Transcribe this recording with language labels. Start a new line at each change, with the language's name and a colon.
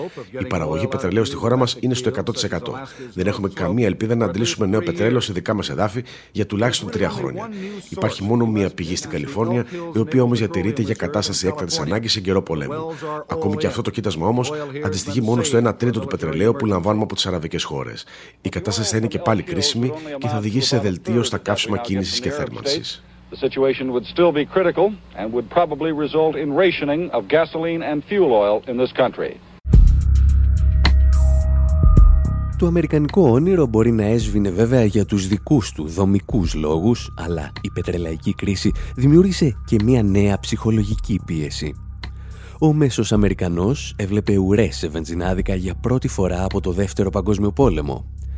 Greek: Η παραγωγή πετρελαίου στη χώρα μας είναι στο 100%. Δεν έχουμε καμία ελπίδα να αντλήσουμε νέο πετρέλαιο σε δικά μας εδάφη για τουλάχιστον 3 χρόνια. Υπάρχει μόνο μία πηγή στην Καλιφόρνια, η οποία όμως διατηρείται για κατάσταση έκτακτης ανάγκης σε καιρό πολέμου. Ακόμη και αυτό το κοίτασμα όμως αντιστοιχεί μόνο στο 1/3 του πετρελαίου που λαμβάνουμε από τις αραβικές χώρες. Η κατάσταση θα είναι και πάλι κρίσιμη και θα οδηγήσει σε δελτίο στα καύσιμα κίνησης και θέρμανσης.
English: The situation would still be critical and would probably result in rationing of gasoline and fuel oil in this country.
Greek: Το αμερικανικό όνειρο μπορεί να έσβηνε βέβαια για τους δικούς του δομικούς λόγους, αλλά η πετρελαϊκή κρίση δημιούργησε και μια νέα ψυχολογική πίεση. Ο μέσος Αμερικανός έβλεπε ουρές σε βενζινάδικα για πρώτη φορά από το Δεύτερο Παγκόσμιο Πόλεμο.